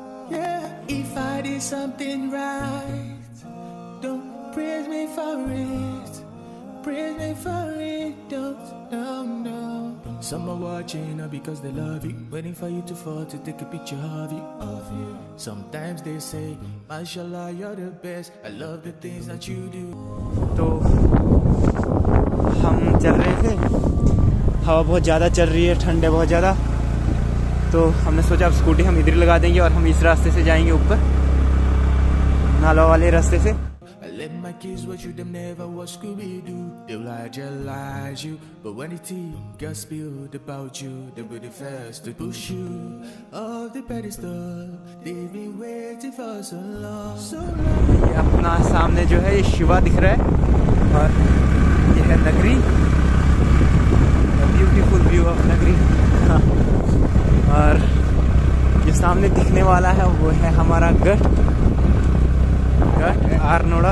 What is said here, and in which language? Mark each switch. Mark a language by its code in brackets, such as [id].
[en] Yeah, if I did something right, don't praise me for it, praise me for it, don't, no, no. Some are watching because they love you, waiting for you to fall to take a picture of you. Of you. Sometimes they say, Mashallah, you're the best. I love the things that you do. [hi] तो हम चल रहे थे, हवा बहुत ज़्यादा चल रही है, ठंड है बहुत ज़्यादा, तो हमने सोचा अब स्कूटी हम इधर लगा देंगे और हम इस रास्ते से जाएंगे ऊपर नालों वाले रास्ते से। [en] Let my kids watch you, them never watch Scooby-Doo. They'll idealize you, but when the team gets spilled about you, they'll be the first to push you off the pedestal. They've been waiting for so long, so long. [hi] ये अपना सामने जो है ये शिवा दिख रहा है और ये है नगरी, [en] a beautiful view of [hi] नगरी। और जो सामने दिखने वाला है वो है हमारा गढ़ आरनोड़ा।